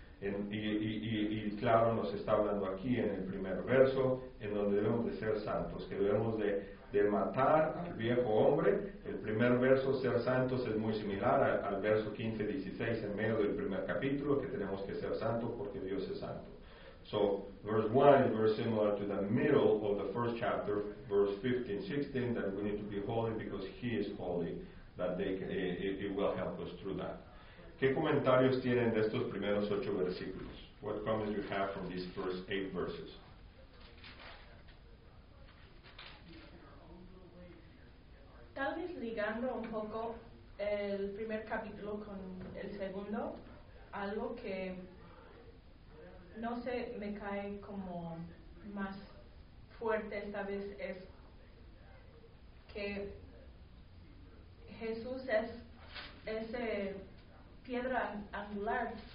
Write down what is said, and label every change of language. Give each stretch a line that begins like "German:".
Spanish: Y claro, nos está hablando aquí en el primer verso, en donde debemos de ser santos, que debemos de matar al viejo hombre. El primer verso, ser santos, es muy similar al verso 15-16 en medio del primer capítulo, que tenemos que ser santos porque Dios es santo.
English: So, verse 1 is very similar to the middle of the first chapter, verse 15-16, that we need to be holy because He is holy, that it will help us through that.
Spanish: ¿Qué comentarios tienen de estos primeros 8 versículos?
English: What comments do you have from these first 8 verses?
Spanish: Tal vez ligando un poco el primer capítulo con el segundo, algo que no sé, me cae como más fuerte esta vez es que Jesús es ese piedra angular